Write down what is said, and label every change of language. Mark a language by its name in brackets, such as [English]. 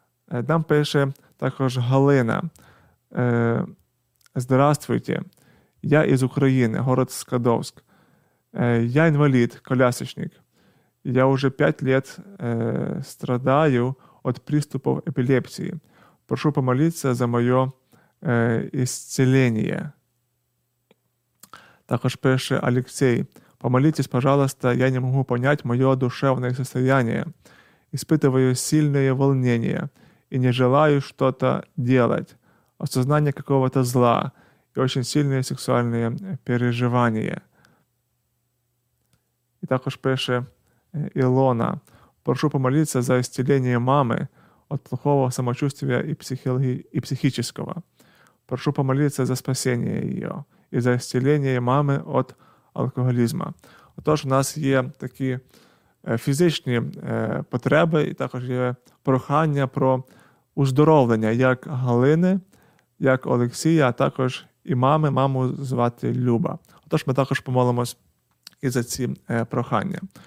[Ukrainian] Нам пише також Галина. Здравствуйте, я із України, город Скадовськ. Я інвалід, колясочник. Я уже 5 років страдаю від приступу епілепсії. Прошу помолитися за моє ісцеління. Також пише Олексій. [Russian] Помолитесь, пожалуйста, я не могу понять мое душевное состояние. Испытываю сильное волнение и не желаю что-то делать. Осознание какого-то зла и очень сильное сексуальное переживание. И [Ukrainian] також пише [Russian] Илона. Прошу помолиться за исцеление мамы от плохого самочувствия и психического. Прошу помолиться за спасение ее и за исцеление мамы от алкоголізма. [Ukrainian] Отож, у нас є такі фізичні потреби і також є прохання про уздоровлення, як Галини, як Олексія, а також і мами, маму звати Люба. Отож, ми також помолимось і за ці прохання.